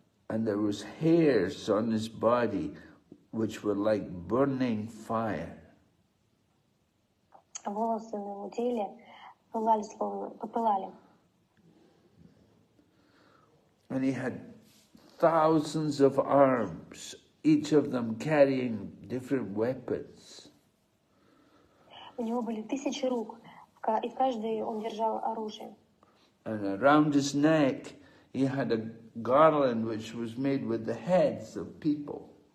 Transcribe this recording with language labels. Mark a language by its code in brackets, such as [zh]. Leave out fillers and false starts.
[en] And there was hairs on his body which were like burning fire. [ru] Волосы на его теле пылали, словно попылали. [en] And he had thousands of arms, each of them carrying different weapons. [ru] У него были тысячи рук, и каждый он держал оружие. [en] And around his neck he had a garland which was made with the heads of people.